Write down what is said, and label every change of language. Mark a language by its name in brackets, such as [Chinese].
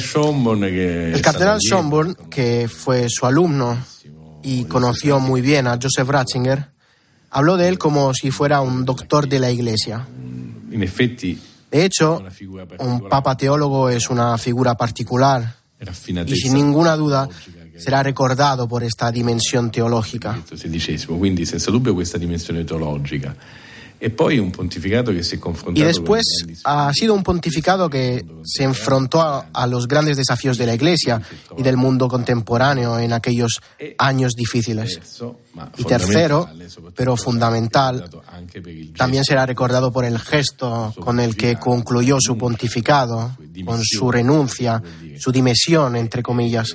[Spanish] El cardenal Schönborn, que fue su alumno y conoció muy bien a Joseph Ratzinger, habló de él como si fuera un doctor de la Iglesia. En efecto, de hecho, un papa teólogo es una figura particular y sin ninguna duda será recordado por esta dimensión teológica. [Italian] Quindi, senza dubbio, questa dimensione teologica. E poi un pontificato che si è confrontato. [Spanish] Y después ha sido un pontificado que se enfrentó a los grandes desafíos de la Iglesia y del mundo contemporáneo en aquellos años difíciles. Y tercero, pero fundamental, también será recordado por el gesto con el que concluyó su pontificado, con su renuncia, su dimisión, entre comillas.